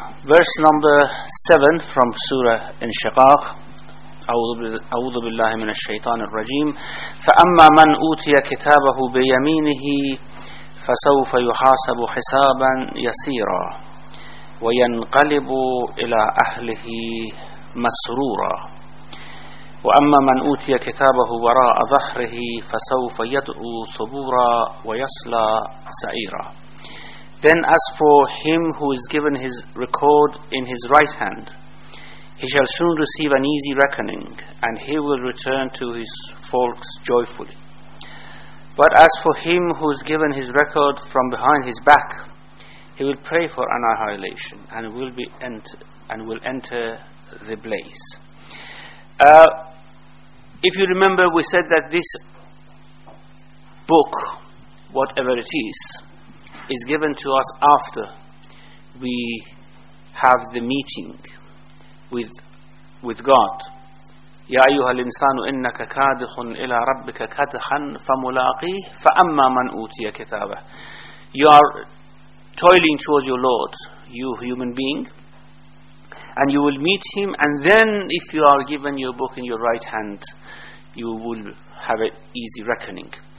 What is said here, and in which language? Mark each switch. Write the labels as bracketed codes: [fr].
[en] verse number 7 from Surah Inshiqaq [ar] أعوذ بالله من الشيطان الرجيم فأما من أوتي كتابه بيمينه فسوف يحاسب حسابا يسيرا وينقلب إلى أهله مسرورا وأما من أوتي كتابه وراء ظهره فسوف يدعو ثبورا ويصلى سعيرا. [en] Then as for him who is given his record in his right hand, he shall soon receive an easy reckoning, and he will return to his folks joyfully. But as for him who is given his record from behind his back, he will pray for annihilation and will enter the blaze. If you remember, we said that this book, whatever it is given to us after we have the meeting with God. [ar] يا أيها الإنسان إنك كادح إلى ربك كدحا فملاقيه فأما من أوتي كتابه. [en] You are toiling towards your Lord, you human being, and you will meet him, and then if you are given your book in your right hand, you will have an easy reckoning.